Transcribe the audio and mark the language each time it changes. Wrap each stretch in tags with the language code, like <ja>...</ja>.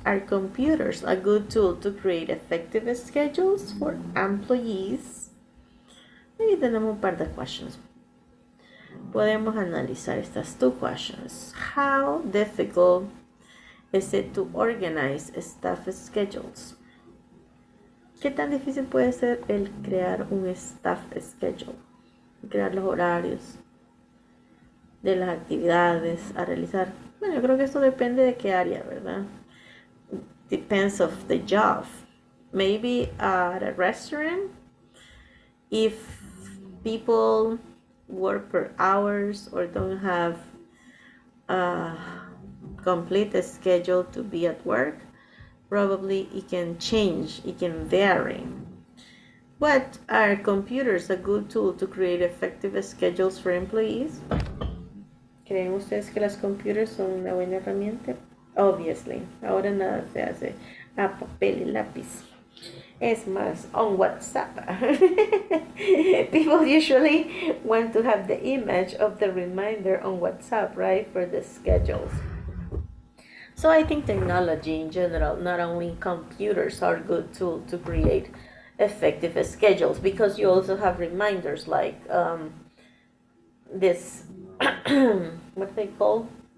<en>Are computers a good tool to create effective schedules for employees?</en> <es>Ahí tenemos un par de questions. Podemos analizar estas</es> <en>two questions. How difficult is it to organize staff schedules?</en> <es>¿Qué tan difícil puede ser el crear un</es> <en>staff schedule?</en> <es>Crear los horarios de las actividades a realizar. Bueno, yo creo que esto depende de qué área, ¿verdad?</es> <en>Depends of the job. Maybe at a restaurant, if people work per hours or don't have a complete schedule to be at work, probably it can change, it can vary. What are computers a good tool to create effective schedules for employees?</en> <es>¿Creen ustedes que las computers son una buena herramienta?</es> <en>Obviously,</en> <es>ahora nada se hace a papel y lápiz. Es más,</es> <en>on WhatsApp. People usually want to have the image of the reminder on WhatsApp, right, for the schedules. So I think technology in general, not only computers, are a good tool to create effective schedules, because you also have reminders like this, what they call?</en>